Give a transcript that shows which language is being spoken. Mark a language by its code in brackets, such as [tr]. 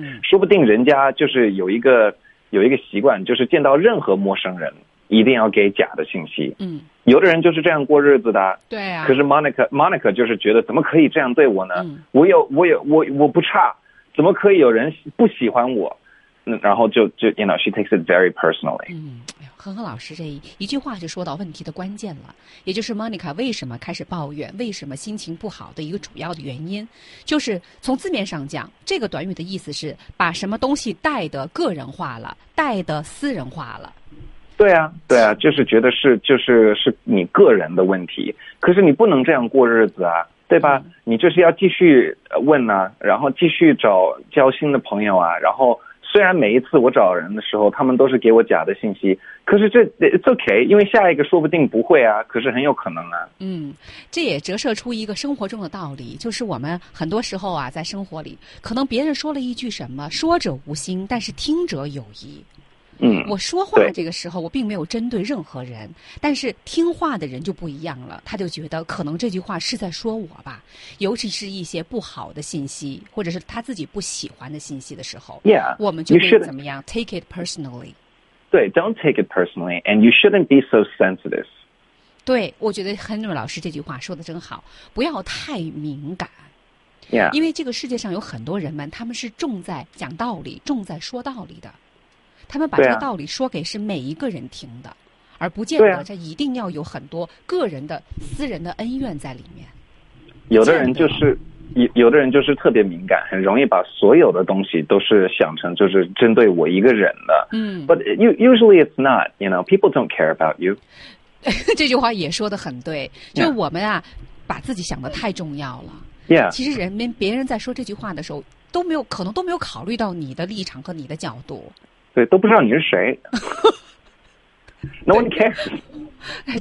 [zh] 说不定人家就是有一个习惯，就是见到任何陌生人一定要给假的信息。有的人就是这样过日子的。对啊。可是 Monica 就是觉得怎么可以这样对我呢？我不差，怎么可以有人不喜欢我？然后就 [en] you know, she takes it very personally. [zh] 恒恒老师这一句话就说到问题的关键了，也就是 Monica 为什么开始抱怨，为什么心情不好的一个主要的原因，就是从字面上讲，这个短语的意思是把什么东西带得个人化了，带得私人化了。对啊，对啊，就是觉得是你个人的问题，可是你不能这样过日子啊，对吧？你就是要继续问啊，然后继续找交心的朋友啊，然后虽然每一次我找人的时候，他们都是给我假的信息，可是这 [en] it's okay, [zh] 因为下一个说不定不会啊，可是很有可能啊。这也折射出一个生活中的道理，就是我们很多时候啊，在生活里，可能别人说了一句什么，说者无心，但是听者有意。我说话这个时候我并没有针对任何人，但是听话的人就不一样了，他就觉得可能这句话是在说我吧，尤其是一些不好的信息或者是他自己不喜欢的信息的时候。 [en] Yeah, [zh] 我们就会怎么样 [en] take it personally. [zh] 对， [en] don't take it personally and you shouldn't be so sensitive. [zh] 对，我觉得 Henry 老师这句话说的真好，不要太敏感。 [en] Yeah. [zh] 因为这个世界上有很多人们，他们是重在讲道理，重在说道理的，他们把这个道理说给是每一个人听的，啊、而不见得这一定要有很多个人的、啊、私人的恩怨在里面。有的人就是有的人就是特别敏感，很容易把所有的东西都是想成就是针对我一个人的。 [en] But usually it's not, you know, people don't care about you. [zh] 这句话也说得很对，就我们啊、把自己想得太重要了。 [en] Yeah. [zh] 其实别人在说这句话的时候都没有，可能都没有考虑到你的立场和你的角度。对，都不知道你是谁。 [en] No one cares.